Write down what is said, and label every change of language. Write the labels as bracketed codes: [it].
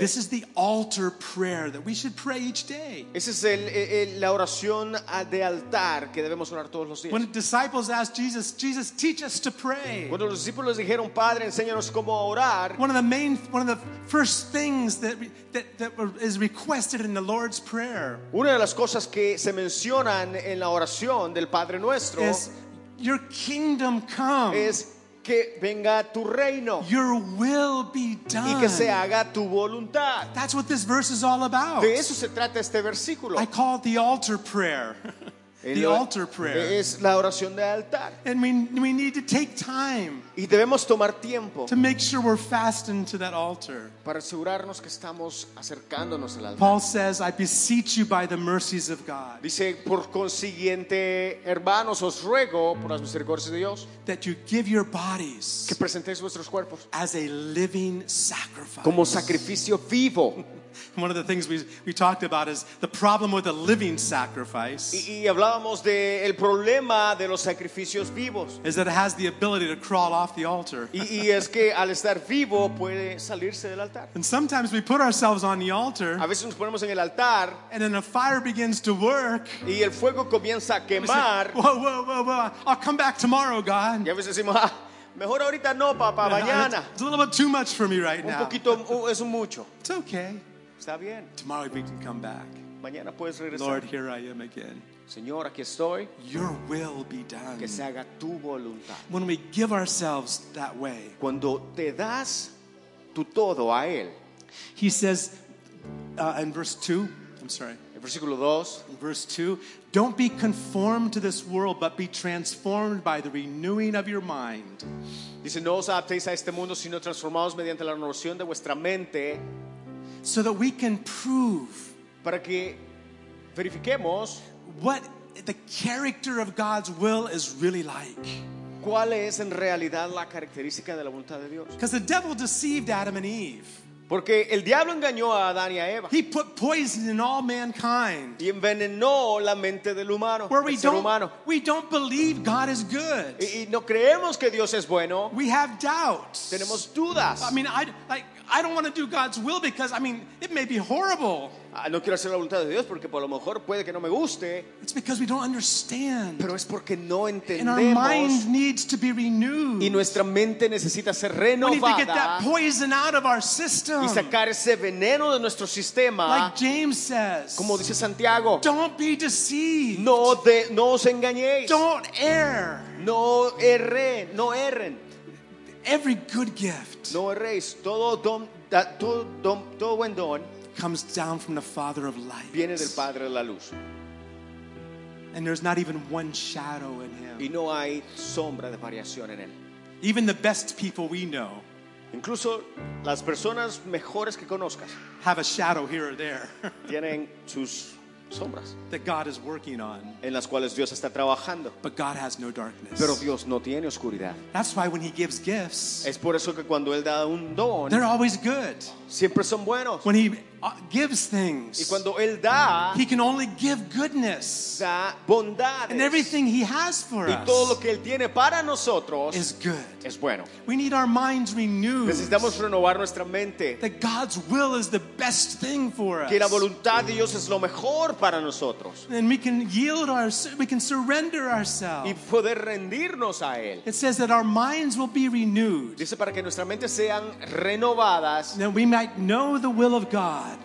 [en] this is the altar prayer that we should pray each day. [es] Esa es la oración de altar que debemos orar todos los días. [en] When the disciples asked Jesus, teach us to pray. [es] Cuando los discípulos dijeron, Padre, enséñanos cómo orar. [en] One of the first things that is requested in the Lord's Prayer. [es] Una de las cosas que se mencionan en la oración del Padre Nuestro [en] is, your kingdom come. [es] Es que venga tu reino. [en] Your will be done. [es] Y que se haga tu voluntad. [en] That's what this verse is all about. [es] De eso se trata este versículo. [en] I call it the altar prayer. The altar prayer. [es] Es la oración de altar. [en] And we need to take time. [es] Y debemos tomar tiempo. [en] To make sure we're fastened to that altar. [es] Para asegurarnos que estamos acercándonos al altar. [en] Paul says, I beseech you by the mercies of God. [es] Dice, por consiguiente, hermanos, os ruego por las misericordias de Dios. [en] That you give your bodies. [es] Que presentéis vuestros cuerpos. [en] As a living sacrifice. [es] Como sacrificio vivo. [en] One of the things we talked about is the problem with a living sacrifice. [es] Y hablábamos de el problema de los sacrificios vivos. [en] Is that it has the ability to crawl off the altar. [es] Y es que al estar vivo puede salirse del altar. [en] And sometimes we put ourselves on the altar. [es] A veces nos ponemos en el altar. [en] And then a fire begins to work. [es] Y el fuego comienza a quemar. [en] Say, whoa, I'll come back tomorrow, God. [es] Y a veces decimos, mejor ahorita no, papá, mañana. [en] It's a little bit too much for me right now. [es] Un poquito, es mucho. [en] It's okay. [es] Está bien. [en] Tomorrow we can come back. [es] Mañana puedes regresar. [en] Lord, here I am again. [es] Señor, aquí estoy. [en] Your will be done. [es] Que se haga tu voluntad. [en] When we give ourselves that way. [es] Cuando te das tu todo a él. [en] He says in verse 2, I'm sorry. [es] En versículo 2, [en] verse 2, don't be conformed to this world, but be transformed by the renewing of your mind. [es] Dice, no os adaptéis a este mundo, sino transformaos mediante la renovación de vuestra mente. [en] So that we can prove, [es] para que verifiquemos, [en] what the character of God's will is really like. [es] ¿Cuál es en realidad la característica de la voluntad de Dios? [en] Because the devil deceived Adam and Eve. [es] Porque el diablo engañó a Adán y a Eva. [en] He put poison in all mankind. [es] Y envenenó la mente del humano. [en] Where [es] el ser humano. [en] We don't believe God is good. [es] Y no creemos que Dios es bueno. [en] We have doubts. [es] Tenemos dudas. [en] I mean, I don't want to do God's will because, I mean, it may be horrible. [es] No quiero hacer la voluntad de Dios porque por lo mejor puede que no me guste. [en] It's because we don't understand. [es] Pero es porque no entendemos. [en] And our mind needs to be renewed. [es] Y nuestra mente necesita ser renovada. [en] We need to get that poison out of our system. [es] Y sacar ese veneno de nuestro sistema. [en] Like James says. [es] Como dice Santiago. [en] Don't be deceived. [es] No os engañéis. [en] Don't err. [es] No erren. [en] Every good gift. [es] No erréis. Todo buen don [en] comes down from the Father of light. [es] Viene del Padre de la luz. [en] And there's not even one shadow in him. [es] Y no hay sombra de variación en él. [en] Even the best people we know, [es] incluso las personas mejores que conozcas, [en] have a shadow here or there. [es] Tienen sus sombras. [en] That God is working on. [es] En las cuales Dios está trabajando. [en] But God has no darkness. [es] Pero Dios no tiene oscuridad. [en] That's why when he gives gifts, [es] es por eso que cuando él da un don, [en] they're always good. [es] Siempre son buenos. [en] When he gives things, [es] y cuando él da, [en] he can only give goodness. [es] Da bondades. [en] And everything he has for [es] y todo lo que él tiene para nosotros [en] is good. [es] Es bueno. [en] We need our minds renewed. [es] Necesitamos renovar nuestra mente. [en] That God's will is the best thing for us. [es] Que la voluntad de Dios es lo mejor para nosotros. [en] And we can yield our, we can surrender ourselves. [es] Y poder rendirnos a él. [en] It says that our minds will be renewed. [es] Dice para que nuestra mente sean renovadas. [en] That we might know the will of God.